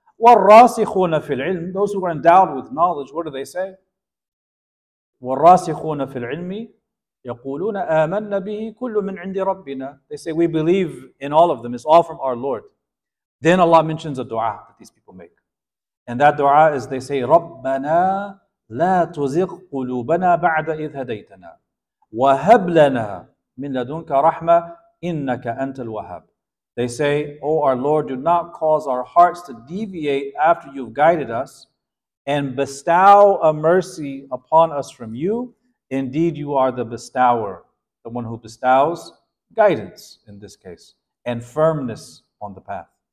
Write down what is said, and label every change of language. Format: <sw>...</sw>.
<ar>وَالرَّاسِخُونَ فِي الْعِلْمِ.</ar> <en>Those who are endowed with knowledge, what do they say?</en> <ar>وَالرَّاسِخُونَ فِي الْعِلْمِ يَقُولُونَ آمَنَّ بِهِ كُلُّ مِنْ عِنْدِ رَبِّنَا.</ar> <en>They say, we believe in all of them. It's all from our Lord. Then Allah mentions a dua that these people make. And that dua is, they say,</en> <ar>رَبَّنَا لَا تُزِغْ قُلُوبَنَا بَعْدَ إِذْ هَدَيْتَنَا وَهَبْ لَنَا مِنْ لَدُنْكَ رَحْمَةً إِنَّكَ أَنْتَ الْوَهَّابُ.</ar> <en>They say, O our Lord, do not cause our hearts to deviate after you've guided us, and bestow a mercy upon us from you. Indeed, you are the bestower, the one who bestows guidance in this case, and firmness on the path.</en>